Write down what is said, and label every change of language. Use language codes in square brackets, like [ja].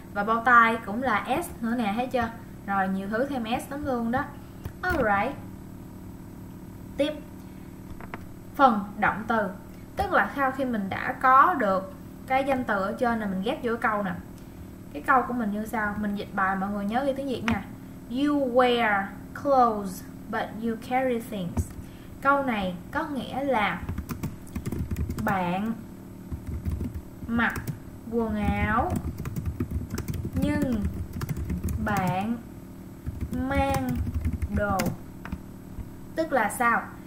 [vi] Và bao tay cũng là S nữa nè, thấy chưa? Rồi, nhiều thứ thêm S lắm luôn đó. Alright. Tiếp. Phần động từ. Tức là sau khi mình đã có được cái danh từ ở trên là mình ghép vô câu nè. Cái câu của mình như sau, mình dịch bài mọi người nhớ ghi tiếng Việt nha. [en] You wear clothes but you carry things. [vi] Câu này có nghĩa là bạn mặc quần áo nhưng bạn mang đồ. Tức là sao?